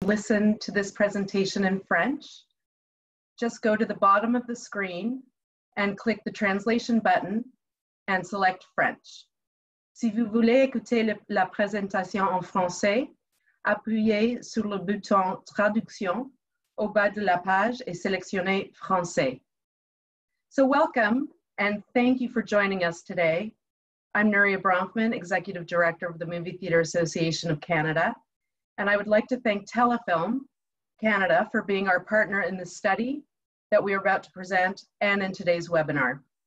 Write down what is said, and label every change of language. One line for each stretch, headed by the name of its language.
English: listen to this presentation in French, just go to the bottom of the screen and click the translation button and select French.
French: Si vous voulez écouter la présentation en français, appuyez sur le bouton traduction au bas de la page et sélectionnez français.
English: So welcome and thank you for joining us today. I'm Nuria Bronfman, Executive Director of the Movie Theatre Association of Canada, and I would like to thank Telefilm Canada for being our partner in the study that we are about to present and in today's webinar.